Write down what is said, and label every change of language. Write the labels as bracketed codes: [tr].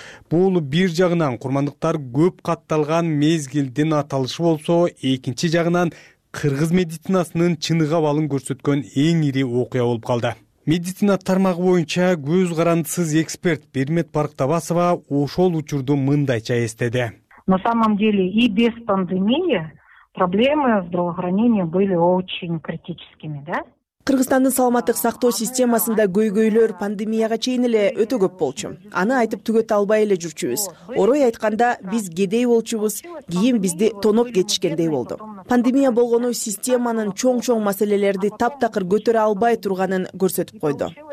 [ky] Бул бир жагынан курмандыктар көп катталган мезгилдин аталышы болсо, экинчи жагынан кыргыз медицинасынын чыныгабалын көрсөткөн эң ири окуя болуп калды. Медицина тармагы боюнча көз карандысыз эксперт Бермет Барктабасова ошол учурду мындайча эстеди. [ru] На самом деле и без пандемии проблемы здравоохранения были очень критическими, да? [ky] Кыргызстандын саламаттык сактоо системасында көйгөйлөр пандемияга чейин эле өтө көп болчу. Аны айтып түгөтө албай эле жүрчүбүз. Орой айтканда биз кедей болчубуз, кийин бизди тоноп кетишкендей болду. Пандемия болгону системанын чоң-чоң маселелерди таптакыр көтөрө албай турганын көрсөтүп койду.